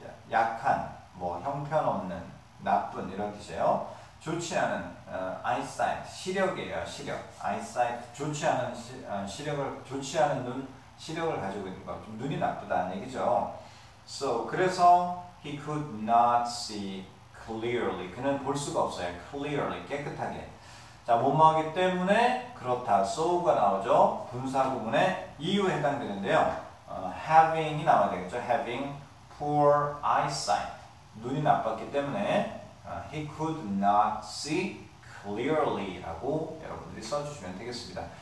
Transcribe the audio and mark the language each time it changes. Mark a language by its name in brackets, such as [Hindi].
[Korean] 약한, 뭐, 형편없는, 나쁜, 이런 뜻이에요. 좋지 않은, eyesight. 시력이에요, 시력. eyesight. 좋지 않은 시력을, 좋지 않은 눈, 시력을 가지고 있는 것. 좀 눈이 나쁘다는 얘기죠. [English] So, [Korean] 그래서 [English] he could not see clearly. [Korean] 그는 볼 수가 없어요. clearly. 깨끗하게. 자, 원망하기 때문에 그렇다. so가 나오죠. 분사 구문에 이유에 해당되는데요. having이 나와야 되겠죠. [English] having poor eyesight. [Korean] 눈이 나빴기 때문에 [English] he could not see clearly [Korean] 라고 여러분들이 써주시면 되겠습니다.